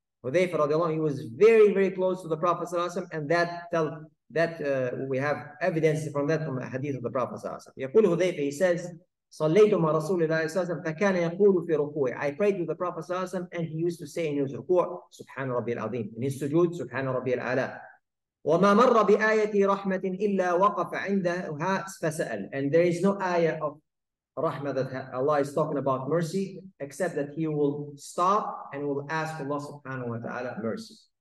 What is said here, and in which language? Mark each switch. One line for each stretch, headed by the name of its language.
English: Hudhayfah radiallahu ta'ala, he was very, very close to the Prophet sallallahu alayhi wa sallam, and that we have evidence from that from a hadith of the Prophet sallallahu alaihi wasallam. He says,
Arabic: "Sallaytu ma Rasulillahi sallam, fakana yaqulu fi ruku'i."
English: I prayed with the Prophet sallallahu alaihi wasallam, and he used to say in his ruku',
Arabic: "Subhan Rabbil Azim."
English: In his sujood,
Arabic: "Subhan Rabbil Ala." وما مر بآية رحمة إلا وقف عندها فسأل.
English: And there is no ayah of rahmah that Allah is talking about mercy, except that he will stop and will ask Allah subhanahu wa taala mercy.